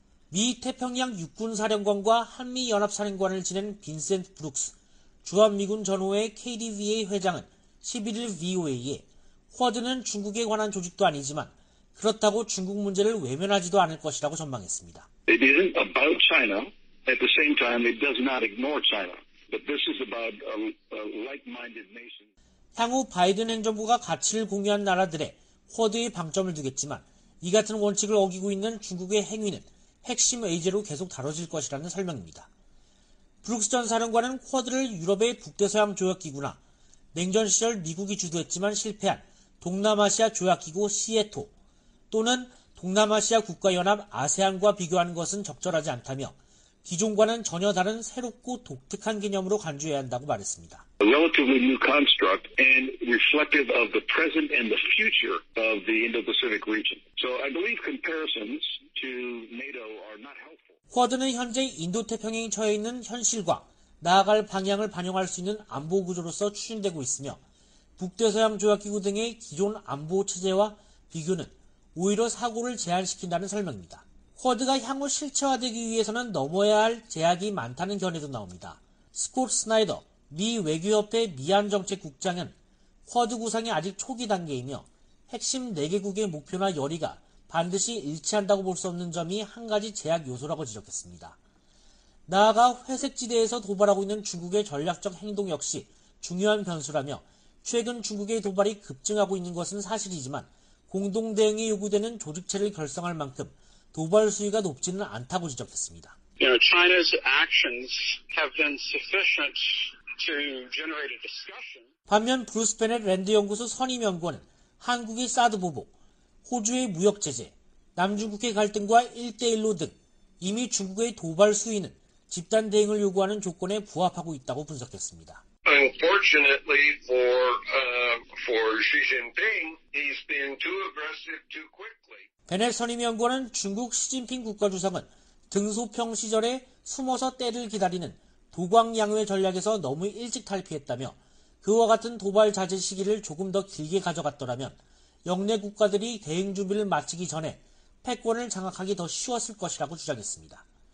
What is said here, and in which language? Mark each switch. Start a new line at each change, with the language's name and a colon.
Korean: 미 태평양 육군사령관과 한미연합사령관을 지낸 빈센트 브룩스, 주한미군 전호회 KDVA 회장은 11일 VOA에 쿼드는 중국에 관한 조직도 아니지만 그렇다고 중국 문제를 외면하지도 않을 것이라고 전망했습니다.
English: It isn't about China. At the same time, it does not ignore China. But this is about like-minded nations.
Korean: 향후 바이든 행정부가 가치를 공유한 나라들의 쿼드의 방점을 두겠지만 이 같은 원칙을 어기고 있는 중국의 행위는 핵심 의제로 계속 다뤄질 것이라는 설명입니다. 브룩스 전 사령관은 쿼드를 유럽의 북대서양 조약기구나 냉전 시절 미국이 주도했지만 실패한 동남아시아 조약기구 시애토 또는 동남아시아 국가연합 아세안과 비교하는 것은 적절하지 않다며 기존과는 전혀 다른 새롭고 독특한 개념으로 간주해야 한다고 말했습니다.
English: Relatively new construct and reflective of the present and the future of the Indo-Pacific region. So I believe comparisons to NATO are not helpful.
Korean: 쿼드는 현재 인도태평양이 처해 있는 현실과 나아갈 방향을 반영할 수 있는 안보 구조로서 추진되고 있으며 북대서양 조약기구 등의 기존 안보 체제와 비교는 오히려 사고를 제한시킨다는 설명입니다. 쿼드가 향후 실체화되기 위해서는 넘어야 할 제약이 많다는 견해도 나옵니다. 스콧 스나이더, 미 외교협회 미안정책국장은 쿼드 구상이 아직 초기 단계이며 핵심 4개국의 목표나 열의가 반드시 일치한다고 볼 수 없는 점이 한 가지 제약 요소라고 지적했습니다. 나아가 회색지대에서 도발하고 있는 중국의 전략적 행동 역시 중요한 변수라며 최근 중국의 도발이 급증하고 있는 것은 사실이지만 공동대응이 요구되는 조직체를 결성할 만큼 도발 수위가 높지는 않다고 지적했습니다.
English: you know, China's actions have been sufficient to generate a discussion.
Korean: 반면 브루스 베넷 랜드 연구소 선임 연구원은 한국의 사드 보복, 호주의 무역 제재, 남중국해 갈등과 1대1로 등 이미 중국의 도발 수위는 집단 대응을 요구하는 조건에 부합하고 있다고 분석했습니다.
English: Unfortunately for Xi Jinping, he's been too aggressive too quickly.
Korean: 베넷 선임 연구원은 중국 시진핑 국가주석은 등소평 시절에 숨어서 때를 기다리는 도광양후의 전략에서 너무 일찍 탈피했다며 그와 같은 도발 자제 시기를 조금 더 길게 가져갔더라면 영내 국가들이 대응 준비를 마치기 전에 패권을 장악하기 더 쉬웠을 것이라고 주장했습니다.